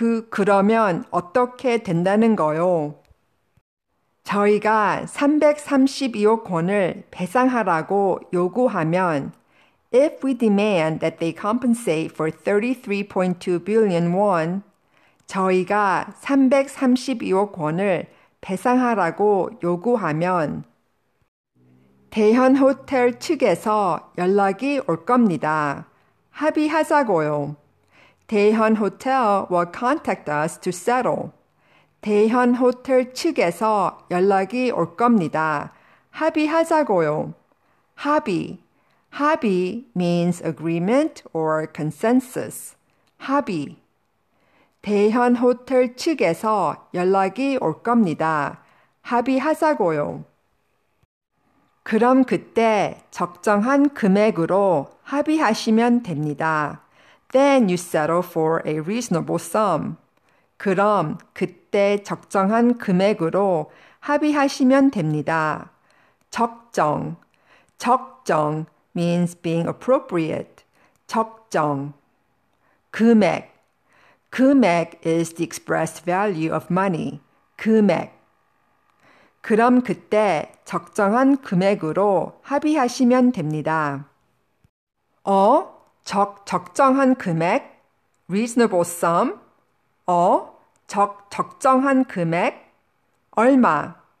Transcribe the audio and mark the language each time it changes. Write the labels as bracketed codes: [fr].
[ko] 그러면 어떻게 된다는 거요? 저희가 332억 원을 배상하라고 요구하면 [en] If we demand that they compensate for 33.2 billion won [ko] 저희가 332억 원을 배상하라고 요구하면 대현 호텔 측에서 연락이 올 겁니다. 합의하자고요. [en] 대현 호텔 will contact us to settle. [ko] 대현 호텔 측에서 연락이 올 겁니다. 합의하자고요. 합의. 합의 [en] means agreement or consensus. [ko] 합의. 대현 호텔 측에서 연락이 올 겁니다. 합의하자고요. 그럼 그때 적정한 금액으로 합의하시면 됩니다. [en] Then you settle for a reasonable sum. [ko] 그럼 그때 적정한 금액으로 합의하시면 됩니다. 적정. 적정 means being appropriate. 적정. 금액. [en] 금액 is the expressed value of money. [ko] 금액. 그럼 그때 적정한 금액으로 합의하시면 됩니다. 적정한 금액? [en] Reasonable sum? [ko] 적정한 금액? 얼마?